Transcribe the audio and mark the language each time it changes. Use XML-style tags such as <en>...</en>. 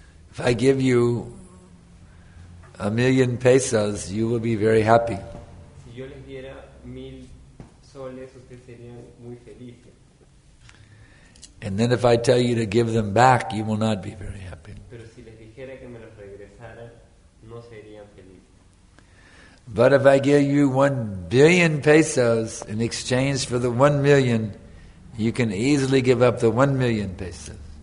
<en>If I give you a million pesos, you will be very happy.</en> <es>Si yo les diera mil soles, ustedes serían muy felices.</es> <en>And then if I tell you to give them back, you will not be very happy.</en> <es>Pero si les dijera que me los regresaran, no serían felices.</es> <en>But if I give you 1 billion pesos in exchange for the 1 million, you can easily give up the 1 million pesos.</en>